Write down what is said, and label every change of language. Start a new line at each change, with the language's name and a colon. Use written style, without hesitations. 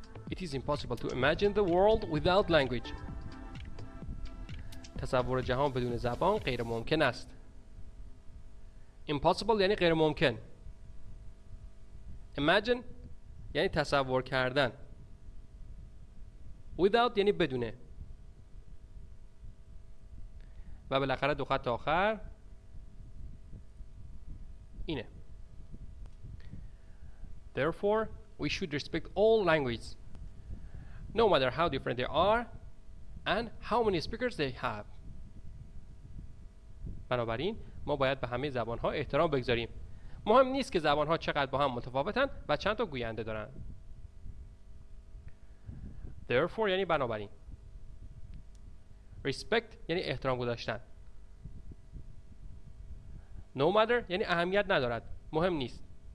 English: It is impossible to imagine the world without language.
Persian: تصور جهان بدون زبان غیر ممکن است. Impossible یعنی غیر ممکن. Imagine یعنی تصور کردن. Without یعنی بدونه. و بالاخره دو خط آخر اینه.
English: Therefore, we should respect all languages, no matter how different they are and how many speakers they have.
Persian: بنابراین ما باید به همه زبان‌ها احترام بگذاریم. مهم نیست که زبان‌ها چقدر با هم متفاوتن و چند تا گوینده دارن. Therefore یعنی بنابراین. Respect یعنی احترام گذاشتن. No matter یعنی اهمیت ندارد، مهم نیست.